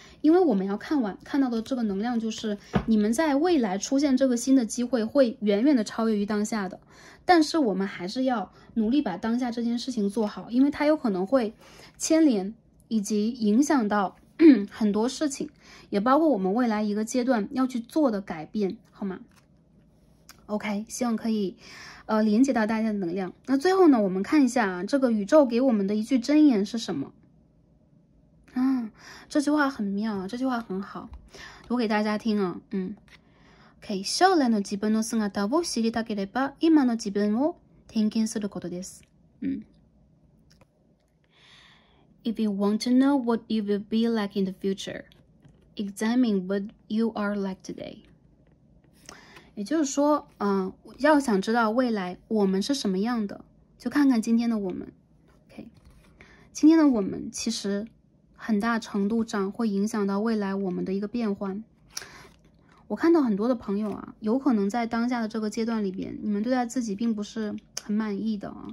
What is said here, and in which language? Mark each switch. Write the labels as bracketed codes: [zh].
[zh] 因为我们要看到的这个能量，就是你们在未来出现这个新的机会会远远的超越于当下的，但是我们还是要努力把当下这件事情做好，因为它有可能会牵连以及影响到很多事情，也包括我们未来一个阶段要去做的改变，好吗？ OK， 希望可以连接到大家的能量。那最后呢，我们看一下啊，这个宇宙给我们的一句真言是什么。这句话很妙啊，这句话很好，读给大家听啊。 [ja] OK， 将来の自分の姿を知りたければ今の自分を点検することです。 [en] If you want to know what you will be like in the future, examine what you are like today. [zh] 也就是说，要想知道未来我们是什么样的，就看看今天的我们。OK， 今天的我们其实很大程度上会影响到未来我们的一个变换。我看到很多的朋友啊，有可能在当下的这个阶段里边，你们对待自己并不是很满意的啊。